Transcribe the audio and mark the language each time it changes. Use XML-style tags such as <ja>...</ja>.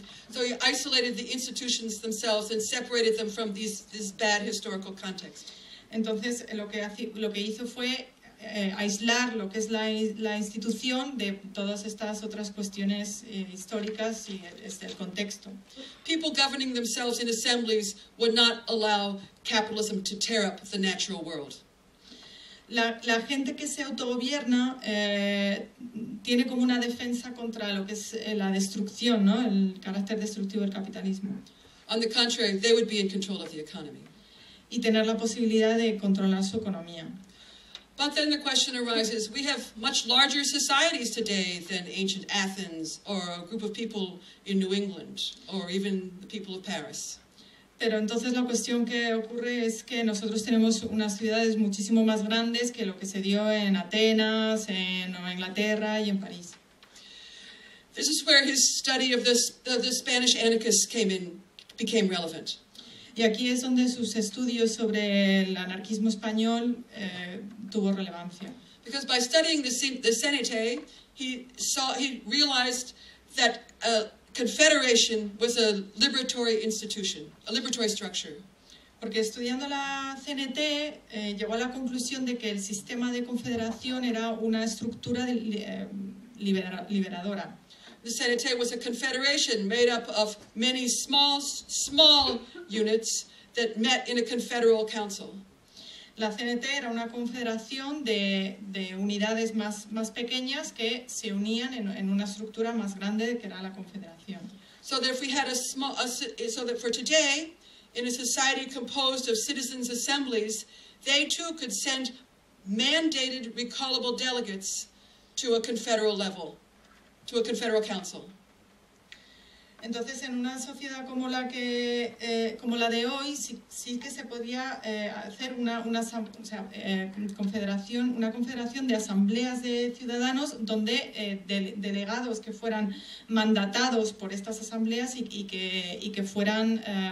<en>So you isolated the institutions themselves and separated them from this bad historical context.</en> <es>Entonces lo que hizo fue aislar lo que es la institución de todas estas otras cuestiones históricas y el contexto.</es> <en>People governing themselves in assemblies would not allow capitalism to tear up the natural world.</en> <es>La gente que se autogobierna tiene como una defensa contra lo que es la destrucción, ¿no? El carácter destructivo del capitalismo.</es> <en>On the contrary, they would be in control of the economy.</en> <es>Y tener la posibilidad de controlar su economía.</es> <en>But then the question arises, we have much larger societies today than ancient Athens or a group of people in New England or even the people of Paris.</en> <es>Pero entonces la cuestión que ocurre es que nosotros tenemos unas ciudades muchísimo más grandes que lo que se dio en Atenas, en Nueva Inglaterra y en París.</es> <en>This is where his study of the Spanish anarchists became relevant.</en> <es>Y aquí es donde sus estudios sobre el anarquismo español tuvo relevancia.</es> <en>Because by studying the Cenete, he realized that confederation was a liberatory institution, a liberatory structure.</en> <es>Porque estudiando la CNT llegó a la conclusión de que el sistema de confederación era una estructura liberadora.</es> <en>The CNT was a confederation made up of many small units that met in a confederal council.</en> <es>La CNT era una confederación de unidades más pequeñas que se unían en una estructura más grande que era la confederación.</es> <en>So that if we had so that for today, in a society composed of citizens' assemblies, they too could send mandated recallable delegates to a confederal level, to a confederal council.</en> <es>Entonces, en una sociedad como la que como la de hoy, sí que se podía hacer una confederación de asambleas de ciudadanos donde delegados que fueran mandatados por estas asambleas y que fueran</es>